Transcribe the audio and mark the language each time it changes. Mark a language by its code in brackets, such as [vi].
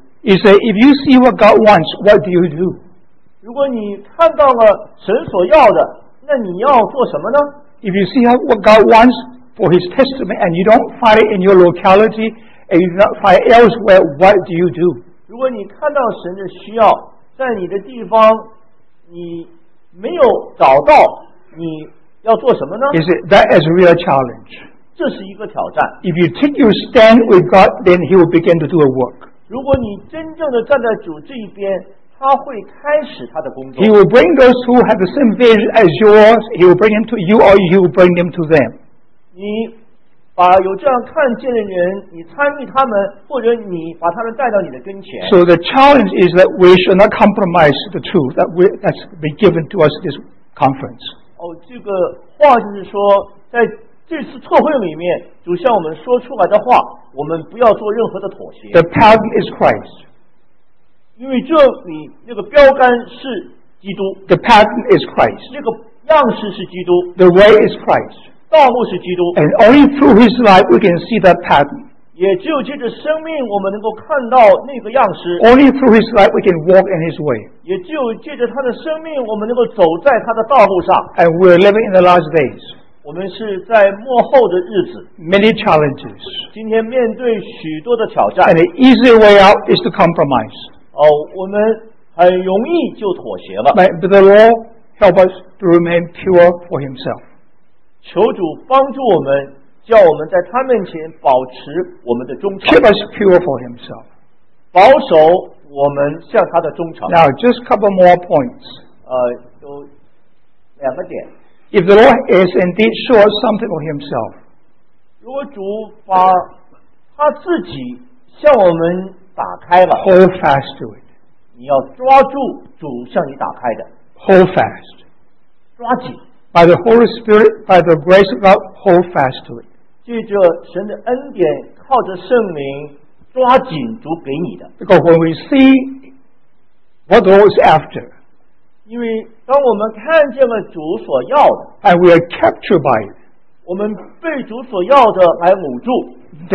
[en] He said, if you see what God wants, what do you do? [zh] 如果你看到了神所要的那你要做什么呢 [en] If you see what God wants for His testimony and you don't find it in your locality and you don't find it elsewhere, what do you do? [zh] 如果你看到神的需要在你的地方你没有找到你要做什么呢 [en] Is it, That is a real challenge. [zh] 这是一个挑战 [en] If you take your stand with God, then He will begin to do a work. [zh] 如果你真正的站在主这一边他会开始他的工作。 [en] He will bring those who have the same vision as yours. He will bring them to you, or you will bring them to them. [zh] 你把有这样看见的人，你参与他们，或者你把他们带到你的跟前。 [en] So the challenge is that we should not compromise the truth that's been given to us this conference. [zh] 哦，这个话就是说，在这次特会里面，主向我们说出来的话，我们不要做任何的妥协。 [en] The pattern is Christ. [zh] 因为这里那个标杆是基督 [en] The pattern is Christ [zh] 那个样式是基督 [en] The way is Christ [zh] 道路是基督 [en] And only through His life we can see that pattern [zh] 也只有借着生命我们能够看到那个样式 [en] Only through His life we can walk in His way [zh] 也只有借着他的生命我们能够走在他的道路上 [en] And we are living in the last days [zh] 我们是在末后的日子 [en] Many challenges [zh] 今天面对许多的挑战 [en] And the easy way out is to compromise [zh] 我们很容易就妥协了。 [en] But the Lord help us to remain pure for Himself. [zh] 求主帮助我们叫我们在他面前保持我们的忠诚。 [en] Keep us pure for himself. [zh] 保守我们向他的忠诚。 [en] Now, just a couple more points. [zh] 有两个点。 [en] If the Lord has indeed sure something of himself, [zh] 如果主把他自己向我们打开了， [en] hold fast to it. [zh] 你要抓住主向你打开的。 [en] Hold fast. [zh] 抓紧。 [en] By the Holy Spirit, by the grace of God, hold fast to it. [zh] 记着神的恩典，靠着圣灵抓紧主给你的。 [en] Because when we see what the Lord is after, [zh] 因为当我们看见了主所要的， [en] and we are captured by it, [zh] 我们被主所要的来掳住，